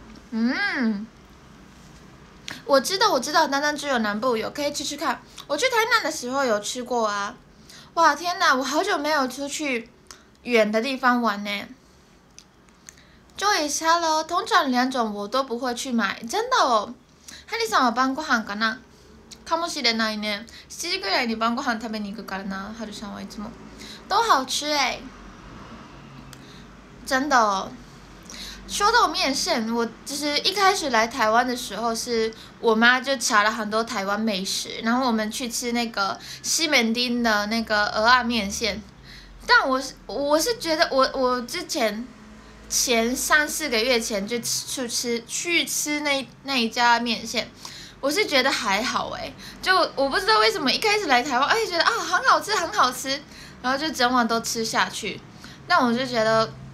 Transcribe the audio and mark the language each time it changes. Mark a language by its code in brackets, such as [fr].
[zh] 嗯，我知道，单单只有南部有，可以吃吃看。我去台南的时候有吃过啊。哇，天哪，我好久没有出去远的地方玩呢。 Joyce, hello, 通常两种我都不会去买，真的哦。 [ja] ハリさんは晩ご飯かな？かもしれないね。 7時ぐらいに晩ご飯食べに行くからな、ハルさんはいつも。 [zh] 都好吃耶。真的哦。说到面线，我其实一开始来台湾的时候，是我妈就查了很多台湾美食，然后我们去吃那个西门町的那个蚵仔面线。但我是觉得我之前前三四个月前就去吃那一家面线，我是觉得还好哎，就我不知道为什么一开始来台湾，哎觉得啊很好吃很好吃，然后就整碗都吃下去，但我就觉得。